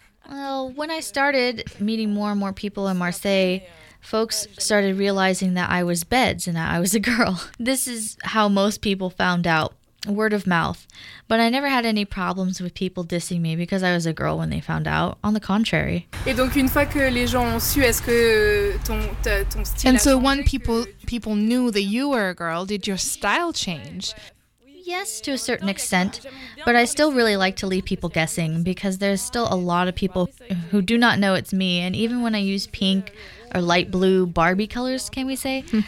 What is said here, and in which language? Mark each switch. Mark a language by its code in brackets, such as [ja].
[en] Well, when I started meeting more and more people in Marseille, folks started realizing that I was Beds and that I was a girl. This is how most people found out. Word of mouth. But I never had any problems with people dissing me because I was a girl when they found out. On the contrary. [fr] Et donc une fois que les gens ont su, est-ce que ton style... [en] And so when people knew that you were a girl, did your style change? Yes, to a certain extent. But I still really like to leave people guessing because there's still a lot of people who do not know it's me. And even when I use pink or light blue Barbie colors, can we say?